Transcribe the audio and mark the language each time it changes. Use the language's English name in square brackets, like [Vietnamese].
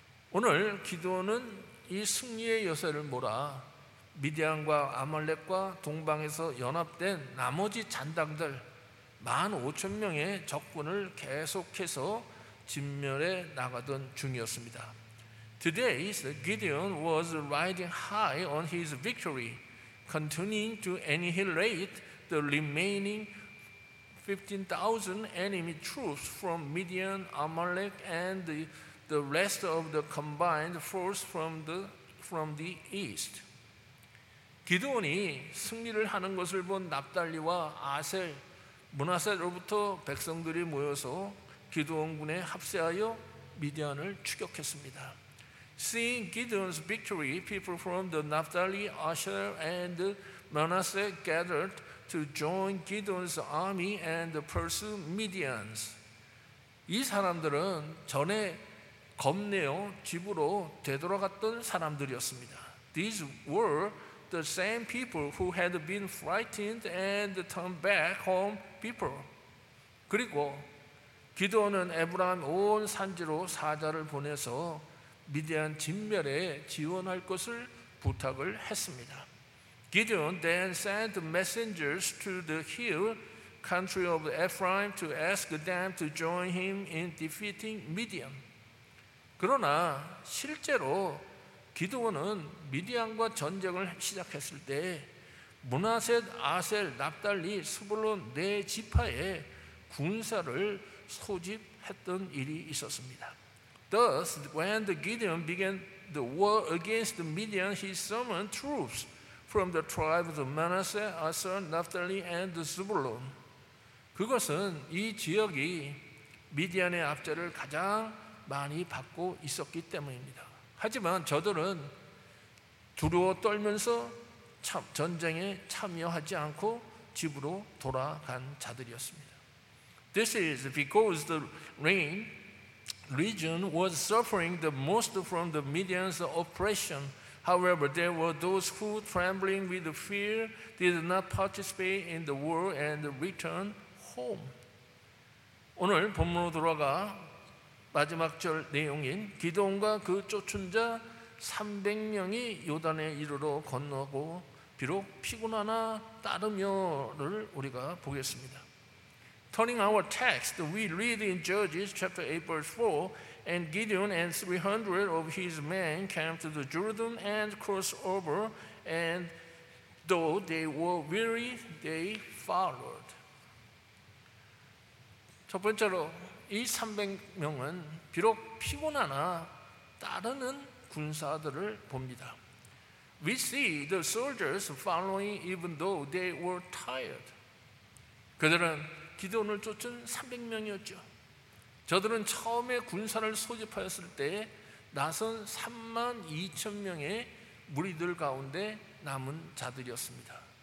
[Korean] 오늘 기드온은 이 승리의 여세를 몰아 미디안과 아말렉과 동방에서 연합된 나머지 잔당들 15,000명의 적군을 계속해서 진멸에 나가던 중이었습니다. [English] Today, Gideon was riding high on his victory, continuing to annihilate the remaining 15,000 enemy troops from Midian, Amalek, and the rest of the combined force from the east. [Korean] 기드온이 승리를 하는 것을 본 납달리와 아셀, 므낫세로부터 백성들이 모여서 기드온군에 합세하여 미디안을 추격했습니다. [English] Seeing Gideon's victory, people from the Naphtali, Asher, and Manasseh gathered to join Gideon's army and pursue Midian's. [Korean] 이 사람들은 전에 겁내어 집으로 되돌아갔던 사람들이었습니다. [English] These were the same people who had been frightened and turned back home people. [Korean] 그리고 기드온은 에브라임 온 산지로 사자를 보내서 미디안 진멸에 지원할 것을 부탁을 했습니다. [English] Gideon then sent messengers to the hill country of Ephraim to ask them to join him in defeating Midian. [Korean] 그러나 실제로 기드온은 미디안과 전쟁을 시작했을 때 므낫셋, 아셀, 납달리, 스불론 네 지파의 군사를 소집했던 일이 있었습니다. [English] Thus, when Gideon began the war against Midian, he summoned troops from the tribes of Manasseh, Asher, Naphtali, and Zebulun. [Korean] 그것은 이 지역이 미디안의 압제를 가장 많이 받고 있었기 때문입니다. 하지만 저들은 두려워 떨면서 전쟁에 참여하지 않고 집으로 돌아간 자들이었습니다. [English] This is because the rain region was suffering the most from the Midian's oppression. However, there were those who, trembling with fear, did not participate in the war and returned home. [Korean] 오늘 본문으로 돌아가 마지막 절 내용인 기드온과 그 쫓은 자 300명이 요단에 이르러 건너고 비록 피곤하나 따르며를 우리가 보겠습니다. [English] Turning our text, we read in Judges chapter 8, verse 4, and Gideon and 300 of his men came to the Jordan and crossed over, and though they were weary, they followed. [Korean] 첫 번째로, 이 300명은 비록 피곤하나 따르는 군사들을 봅니다. [English] We see the soldiers following even though they were tired. [Korean] 그들은 기드온을 쫓은 300명이었죠. 저들은 처음에 군사를 소집하였을 때 나선 3만 2천 명의 무리들 가운데 남은 자들이었습니다.